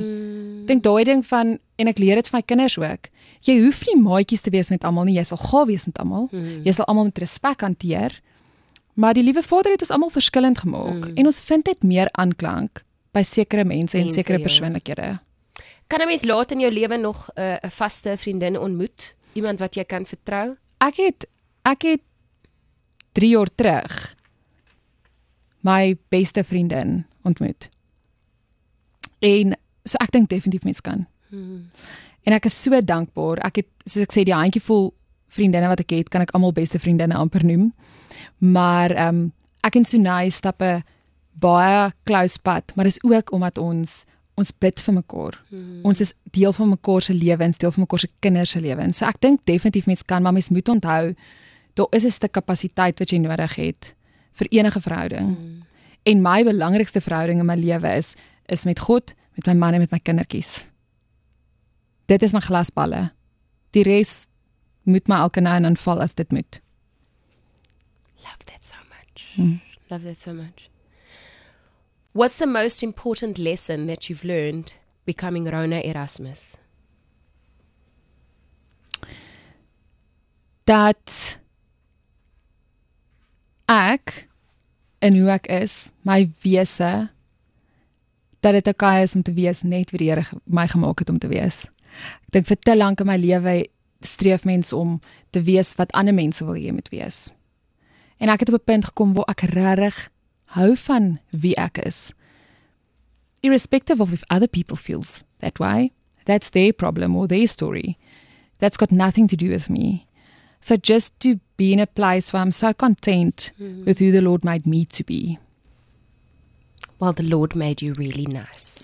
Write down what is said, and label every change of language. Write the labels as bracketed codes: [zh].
[af] Ek dink daai ding van, en ek leer dit vir my kinders ook, jy hoef nie maatjies te wees met almal nie, jy sal gaaf wees met almal, jy sal almal met respek hanteer, maar die liewe Vader het ons almal verskillend gemaak, en ons vind dit meer aanklank by sekere mense en sekere persoonlikhede. Kan 'n mens laat in jou lewe nog 'n vaste vriendin ontmoet? Iemand wat jy kan vertrou? Ek het 3 jaar terug my beste vriendin ontmoet. En so ek dink definitief mens kan. En ek is so dankbaar. Ek het, soos ek sê, die handjievol vriendinne wat ek het, kan ek almal beste vriendinne amper noem. Maar ek en Sunay stap 'n baie close pad, maar dis ook omdat ons bid vir mekaar. Ons is deel van mekaar se lewens, deel van mekaar se kinders se lewens. So ek dink definitief mens kan, maar mens moet onthou, daar is 'n stuk kapasiteit wat jy nodig het vir enige verhouding. En my belangrikste verhouding in my lewe is met God, met my man en met my kindertjies. Dit is my glasballe. Die res moet my elke nou en dan val as dit moet. [en] Love that so much. Love that so much. What's the most important lesson that you've learned becoming Rhona Erasmus? [af] That ek en hoe ek is, my wese, dat dit okay is om te wees net wie die Here my gemaak het om te wees. Ek dink vir te lank in my lewe streef mens om te wees wat ander mense wil hê jy moet wees. En ek het op 'n punt gekom waar ek regtig hou van wie ek is. [en] Irrespective of if other people feels that way, that's their problem or their story. That's got nothing to do with me. So just to be in a place where I'm so content with who the Lord made me to be. Well, the Lord made you really nice.